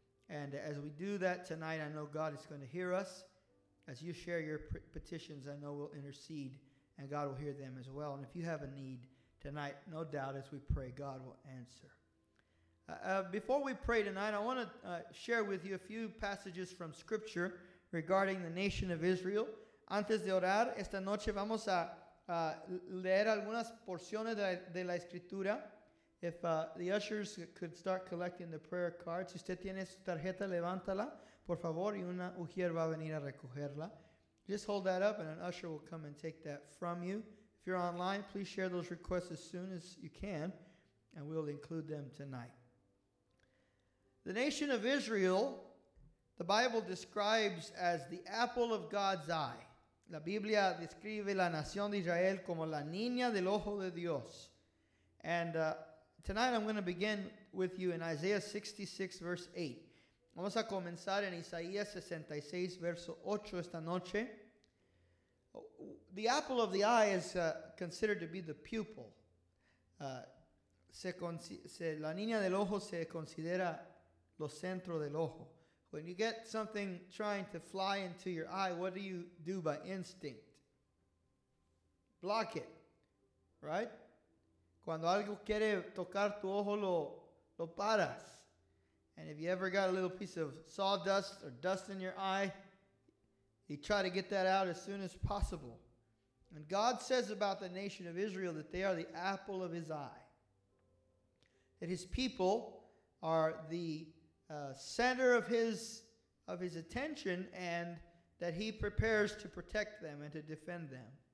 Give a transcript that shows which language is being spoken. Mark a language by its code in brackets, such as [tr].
[en] And as we do that tonight, I know God is going to hear us. As you share your petitions, I know we'll intercede, and God will hear them as well. And if you have a need tonight, no doubt, as we pray, God will answer. Before we pray tonight, I want to share with you a few passages from Scripture regarding the nation of Israel. [es] Antes de orar, esta noche vamos a leer algunas porciones de la Escritura. [en] If the ushers could start collecting the prayer cards. [es] Si usted tiene su tarjeta, levántala, por favor, y una ujier va a venir a recogerla. [en] Just hold that up, and an usher will come and take that from you. If you're online, please share those requests as soon as you can, and we'll include them tonight. The nation of Israel, the Bible describes as the apple of God's eye. [es] La Biblia describe la nación de Israel como la niña del ojo de Dios. [en] And tonight I'm going to begin with you in Isaiah 66, verse 8. [es] Vamos a comenzar en Isaías 66, verso 8 esta noche. [en] The apple of the eye is considered to be the pupil. [es] La niña del ojo se considera lo centro del ojo. [en] When you get something trying to fly into your eye, what do by instinct? Block it, right? [es] Cuando algo quiere tocar tu ojo, lo paras. [en] And if you ever got a little piece of sawdust or dust in your eye, you try to get that out as soon as possible. And God says about the nation of Israel that they are the apple of his eye. That his people are the center of his attention, and that he prepares to protect them and to defend them.